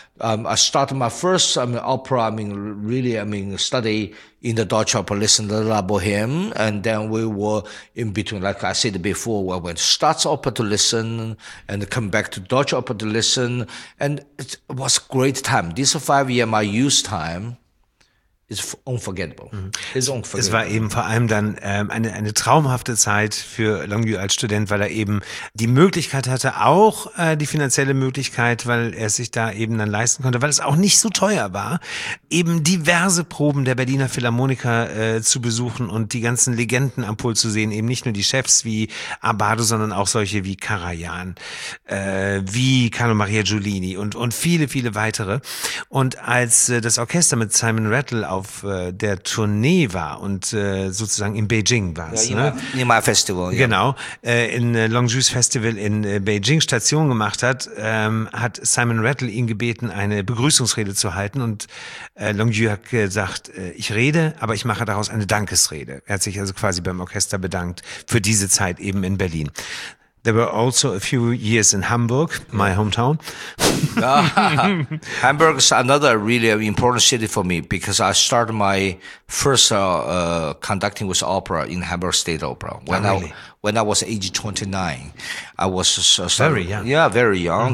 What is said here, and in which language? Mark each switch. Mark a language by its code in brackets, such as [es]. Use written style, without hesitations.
[en] I started my first opera. Study in the Deutsche Oper, listen to La Boheme, and then we were in between. Like I said before, we went to Staatsoper to listen, and come back to Deutsche Oper to listen, and it was a great time. This 5 years my youth time. [de] Ist unvergettable. Mhm. Ist unvergettable. Es war eben vor allem dann eine traumhafte Zeit für Longyu als Student, weil er eben die Möglichkeit hatte, auch die finanzielle Möglichkeit, weil er sich da eben dann leisten konnte, weil es auch nicht so teuer war, eben diverse Proben der Berliner Philharmoniker zu besuchen und die ganzen Legenden am Pult zu sehen, eben nicht nur die Chefs wie Abbado, sondern auch solche wie Karajan, wie Carlo Maria Giulini und viele, viele weitere. Und als das Orchester mit Simon Rattle auf der Tournee war und sozusagen in Beijing war es. Ja, Nimai Festival. Ja. Genau. In Longyu's Festival in Beijing Station gemacht hat, hat Simon Rattle ihn gebeten, eine Begrüßungsrede zu halten, und Longyu hat gesagt, ich rede, aber ich mache daraus eine Dankesrede. Er hat sich also quasi beim Orchester bedankt für diese Zeit eben in Berlin. [en] There were also a few years in Hamburg, my hometown. Hamburg is another really important city for me because I started my first conducting with opera in Hamburg State Opera. When I was age 29, I was very young. Mm-hmm.